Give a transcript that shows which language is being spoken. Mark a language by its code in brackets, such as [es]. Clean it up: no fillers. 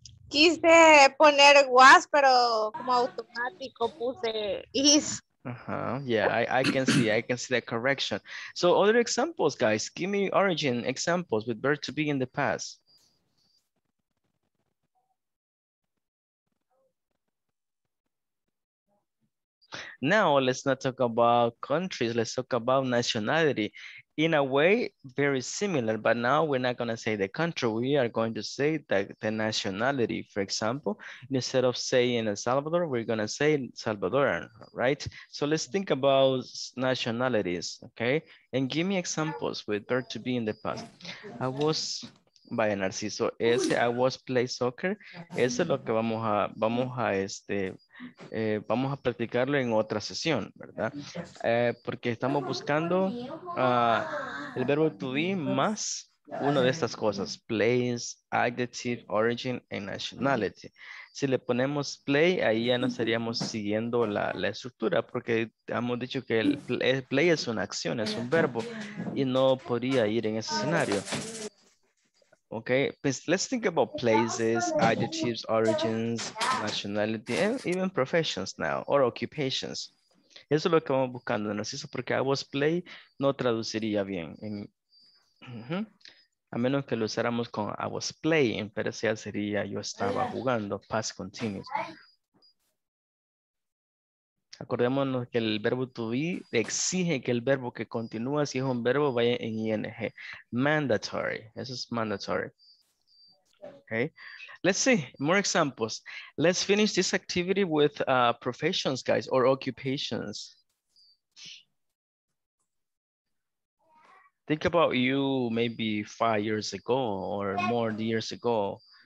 [es] Quise poner was, pero como automático puse is. [en] Uh-huh. Yeah, I can see the correction. So other examples, guys, give me origin examples with verb to be in the past. Now let's not talk about countries, let's talk about nationality. In a way, very similar, but now we're not gonna say the country, we are going to say the nationality. For example, instead of saying El Salvador, we're gonna say Salvadoran, right? So let's think about nationalities, okay? And give me examples with verb to be in the past. I was, by Narciso, ese, I was play soccer. [es] Ese es lo que vamos a practicarlo en otra sesión, ¿verdad? Porque estamos buscando el verbo to be más una de estas cosas, [en] place, adjective, origin, and nationality. [es] Si le ponemos play, ahí ya no estaríamos siguiendo la estructura, porque hemos dicho que el play es una acción, es un verbo, y no podría ir en ese escenario. [en] Okay, let's think about places, adjectives, origins, nationality, and even professions now, or occupations. [es] Eso es lo que vamos buscando, Narciso, porque [en] I was play [es] no traduciría bien. A menos que lo usáramos con [en] I was playing, [es] pero ya sería yo estaba jugando, [en] past continuous. [es] Acordémonos que el verbo to be exige que el verbo que continúa, si es un verbo, vaya en ing. Mandatory. Eso es mandatory. [en] Okay. Let's see more examples. Let's finish this activity with professions, guys, or occupations. Think about you maybe 5 years ago or more years ago.